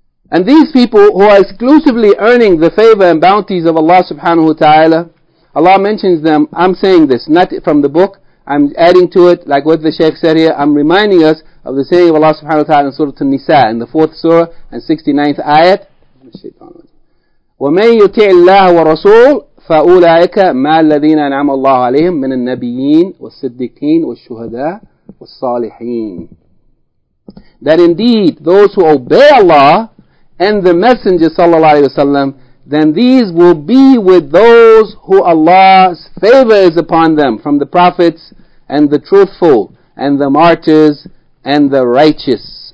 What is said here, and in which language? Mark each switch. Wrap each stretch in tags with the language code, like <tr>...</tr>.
<en>And these people who are exclusively earning the favor and bounties of Allah subhanahu wa ta'ala, Allah mentions them. I'm saying this, not from the book. I'm adding to it, like what the Shaykh said here. I'm reminding us of the saying of Allah subhanahu wa ta'ala in Surah An-Nisa, in the 4th surah and 69th ayat.</en> <ar>ومن يطع الله ورسول فأولئك مع الذين أنعم الله عليهم من النبيين والصديقين والشهداء والصالحين.</ar> <en>That indeed those who obey Allah and the Messenger sallallahu alaihi wasallam, then these will be with those who Allah's favor is upon them from the prophets and the truthful and the martyrs and the righteous.</en>